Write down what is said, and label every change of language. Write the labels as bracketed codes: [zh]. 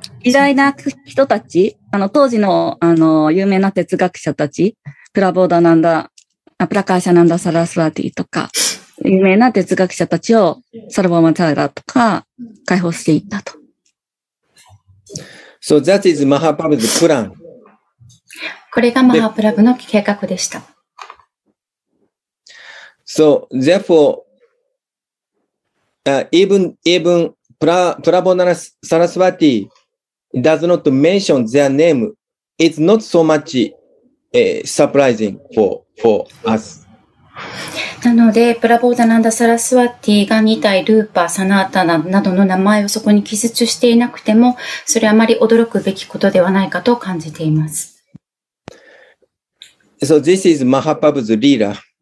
[ja] 偉大な人たち、当時の有名な哲学者たち、Prakashananda Saraswati とか、有名な哲学者たちをサルバマチャラとか解放していったと。 [en] So that is Mahaprabhu's plan. [ja] これがマハプラブの計画でした。 [en] So therefore, even Prabhupada Saraswati does not mention their name, it's not so much surprising for us. [ja] なので、プラボーダナンダ・サラスワティが2体、ルーパー、サナータナなどの名前をそこに記述していなくても、それはあまり驚くべきことではないかと感じています。 [en] So this is Mahaprabhu's Leela.